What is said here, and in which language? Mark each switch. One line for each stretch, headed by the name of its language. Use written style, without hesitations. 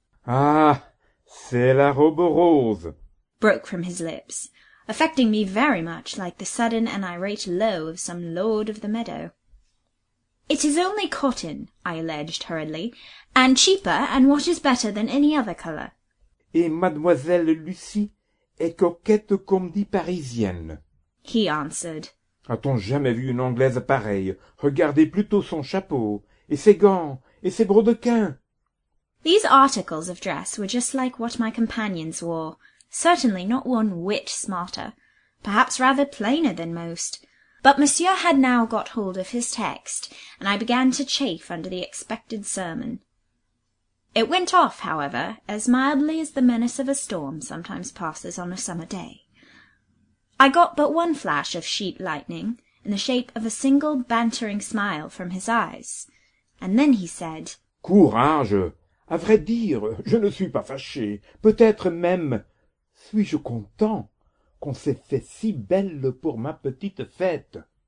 French: "Ah, C'est la robe rose,
English: broke from his lips, affecting me very much like the sudden and irate low of some lord of the meadow. It is only cotton, I alleged hurriedly, and cheaper, and what is better than any other colour.
French: Et Mademoiselle Lucie est coquette comme dit parisienne,
English: he answered.
French: A-t-on jamais vu une Anglaise pareille? Regardez plutôt son chapeau, et ses gants, et ses brodequins.
English: These articles of dress were just like what my companions wore, certainly not one whit smarter, perhaps rather plainer than most. But Monsieur had now got hold of his text, and I began to chafe under the expected sermon. It went off, however, as mildly as the menace of a storm sometimes passes on a summer day. I got but one flash of sheet lightning, in the shape of a single bantering smile from his eyes, and then he said,
French: Courage! À vrai dire, je ne suis pas fâché. Peut-être même suis-je content qu'on s'est fait si belle pour ma petite fête.